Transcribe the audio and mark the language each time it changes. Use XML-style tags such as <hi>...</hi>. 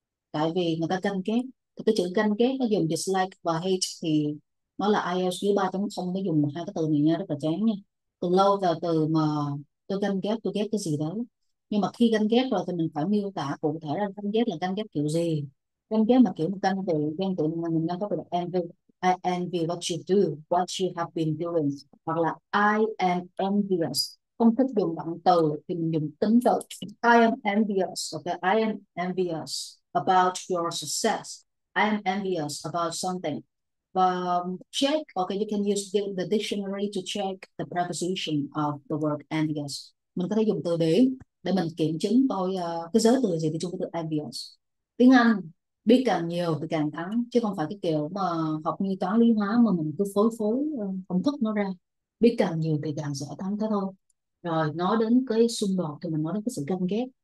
<vi>Tại vì người ta ganh ghét. Thì cái chữ ganh ghét nó dùng dislike và hate thì nó là IELTS dưới 3.0 mới dùng một hai cái từ này nha, rất là chán nha. Từ lâu vào từ mà tôi ganh ghét, tôi ghét cái gì đó. Nhưng mà khi ganh ghét rồi thì mình phải miêu tả cụ thể là ganh ghét là ganh ghét kiểu gì. Ganh ghét mà kiểu một ganh tị mà mình đang có từ là envy.</vi> <en>I envy what you do, what you have been doing.</en> <vi>Hoặc là</vi> <en>I am envious.</en> <vi>Không thích dùng động từ thì mình dùng tính từ.</vi> <en>I am envious. Okay? I am envious about your success. I am envious about something. Check, okay, you can use the dictionary to check the preposition of the word envious.</en> <vi>Mình có thể dùng từ đấy để mình kiểm chứng coi cái giới từ gì thì chung cái từ envious. Tiếng Anh biết càng nhiều thì càng thắng, chứ không phải cái kiểu mà học như toán lý hóa mà mình cứ phối phối công thức nó ra. Biết càng nhiều thì càng dễ thắng thế thôi. Rồi nói đến cái xung đột thì mình nói đến cái sự ganh ghét.</vi>